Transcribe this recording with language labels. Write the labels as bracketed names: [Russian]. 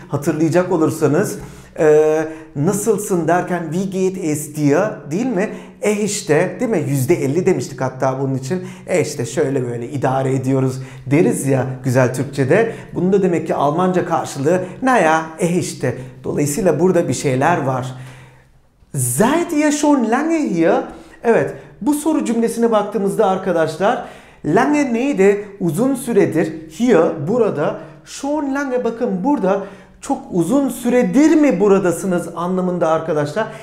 [Turkish] Hatırlayacak olursanız nasılsın derken [German] wie geht es dir [Turkish] değil mi? İşte değil mi? %50 demiştik hatta bunun için. İşte şöyle böyle idare ediyoruz deriz ya güzel Türkçe'de. Bunun da demek ki Almanca karşılığı naya, işte. Dolayısıyla burada bir şeyler var. [German] Seid ihr schon lange hier? [Turkish] Evet, bu soru cümlesine baktığımızda arkadaşlar lange neydi? Uzun süredir hier, burada. [German] Schon lange, [Turkish] bakın burada çok uzun süredir mi buradasınız anlamında arkadaşlar.